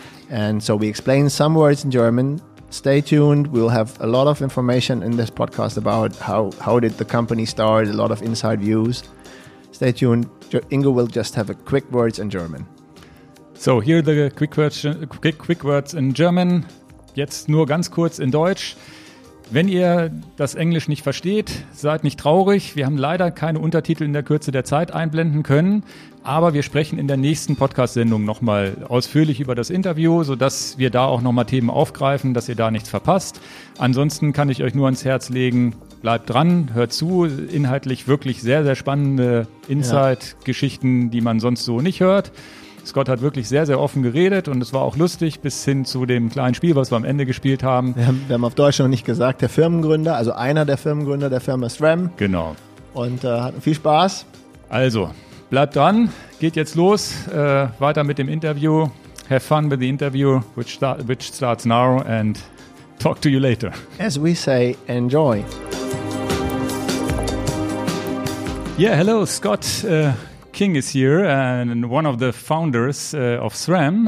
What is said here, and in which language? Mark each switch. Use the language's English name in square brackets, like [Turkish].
[English] And so we explain some words in German. Stay tuned. We'll have a lot of information in this podcast about how did the company start, a lot of inside views. Stay tuned. Ingo will just have a quick words in German. So here are the quick words in German. [German] Jetzt nur ganz kurz in Deutsch. Wenn ihr das Englisch nicht versteht, seid nicht traurig. Wir haben leider keine Untertitel in der Kürze der Zeit einblenden können. Aber wir sprechen in der nächsten Podcast-Sendung nochmal ausführlich über das Interview, sodass wir da auch nochmal Themen aufgreifen, dass ihr da nichts verpasst. Ansonsten kann ich euch nur ans Herz legen, bleibt dran, hört zu. Inhaltlich wirklich sehr, sehr spannende Inside-Geschichten, die man sonst so nicht hört. Scott hat wirklich sehr, sehr offen geredet und es war auch lustig, bis hin zu dem kleinen Spiel, was wir am Ende gespielt haben. Wir haben auf Deutsch noch nicht gesagt, der Firmengründer, also einer der Firmengründer der Firma SRAM. Genau. Und hatten viel Spaß. Also, bleibt dran, geht jetzt los, weiter mit dem Interview. [English] Have fun with the interview, which starts now, and talk to you later. As we say, enjoy. Yeah, hello, Scott King is here and one of the founders of SRAM.